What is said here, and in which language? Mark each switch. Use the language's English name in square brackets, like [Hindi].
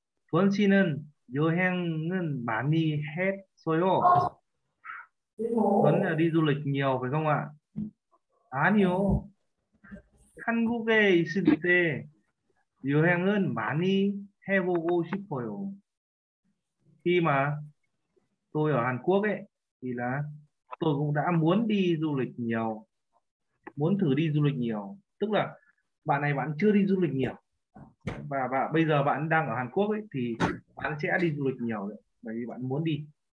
[Korean] Phương xin은 여행은 많이 했어요. [Vietnamese] Phương là đi du lịch nhiều phải không ạ? [Korean] 아니요. 한국에 있을 때 여행은 많이 해보고 싶어요. [Vietnamese] Khi mà tôi ở Hàn Quốc ấy thì là tôi cũng đã muốn đi du lịch nhiều, muốn thử đi du lịch nhiều. Tức là bạn này bạn chưa đi du lịch nhiều và bạn bây giờ bạn đang ở Hàn Quốc ấy thì bạn sẽ đi du lịch nhiều đấy, bởi vì bạn muốn đi.